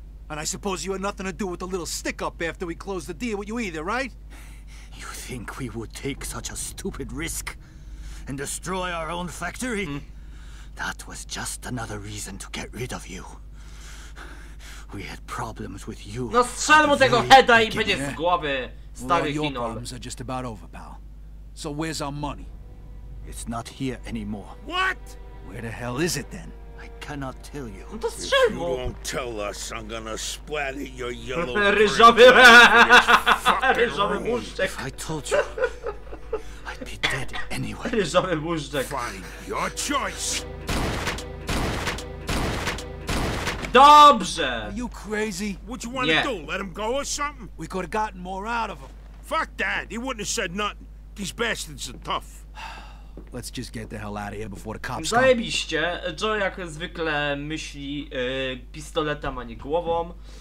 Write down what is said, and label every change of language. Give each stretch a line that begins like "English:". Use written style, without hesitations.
English: And I suppose you had nothing to do with the little stick-up after we closed the deal with you either, right? You think we would take such a stupid risk and destroy our own factory? Mm. That was just another reason to get rid of you. We had problems with you.
Polish: No strzel mu tego heada i będzie z głowy, stary Hinol.
English: Your problems are just about over, pal. So where's our money? It's not here anymore. What? Where the hell is it then? I cannot tell you.
Polish: No to strzel mu.
English: If you won't tell us, I'm gonna splatter your yellow
Polish: ryżowy
English: brain.
Polish: Ryżowy muszczek.
English: If I told you, I'd be dead anyway.
Polish: Ryżowy muszczek.
English: Fine, your choice.
Polish: Dobrze.
English: Are you crazy? What you want to do? Let him go or something? We could have gotten more out of him. Fuck that. He wouldn't have said nothing. These bastards are tough. Let's just get the hell out of here before the cops come.
Polish: Zajebiście. Joe jak zwykle myśli pistoletem, a nie głową.